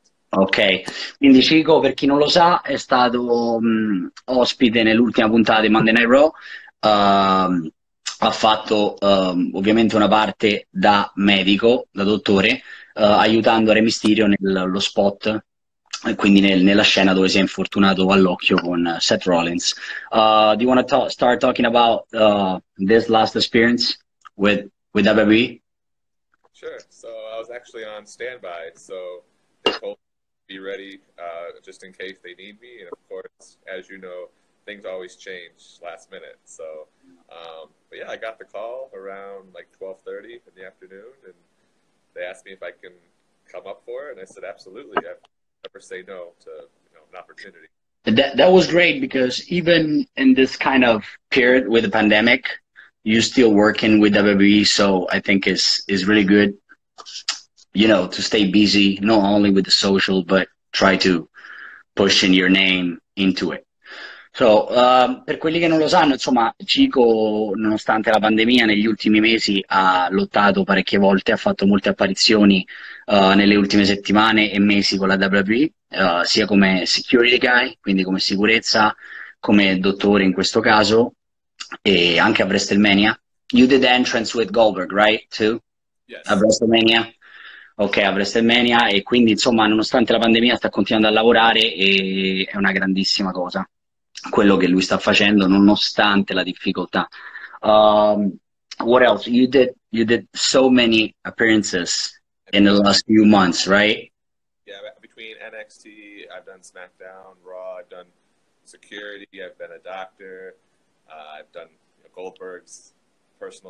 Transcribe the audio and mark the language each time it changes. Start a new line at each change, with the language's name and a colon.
Italian: Ok, quindi Chico, per chi non lo sa, è stato ospite nell'ultima puntata di Monday Night Raw. Ha fatto ovviamente una parte da medico, da dottore, aiutando Rey Mysterio nello spot, quindi nella scena dove si è infortunato all'occhio con Seth Rollins.
English: Do you want to start talking about this last experience with WWE? Sure. So I was actually on standby, so they told me to be ready just in case they need me. And of course, as you know, things always change last minute. So, but yeah, I got the call around like 12:30 in the afternoon, and they asked me if I can come up for it. And I said, absolutely. I never say no to, an opportunity. That was great because even in this kind of period with the pandemic, you're still working with WWE, so I think it's really good, to stay busy, not only with the social, but try to push in your name into it.
Italian: So, per quelli che non lo sanno, insomma, CHICO, nonostante la pandemia, negli ultimi mesi ha lottato parecchie volte, ha fatto molte apparizioni nelle ultime settimane e mesi con la WWE. Sia come security guy, quindi come sicurezza, come dottore in questo caso, e anche a WrestleMania.
English: You did the entrance with Goldberg, right? Too? A Yes. WrestleMania?
Italian: Ok, a WrestleMania, e quindi insomma, nonostante la pandemia, sta continuando a lavorare e è una grandissima cosa quello che lui sta facendo, nonostante la difficoltà.
English: What else? You did so many appearances in the last few months, right? Yeah, between NXT, I've done SmackDown, Raw, I've done security, I've been a doctor, I've done, Goldberg's personal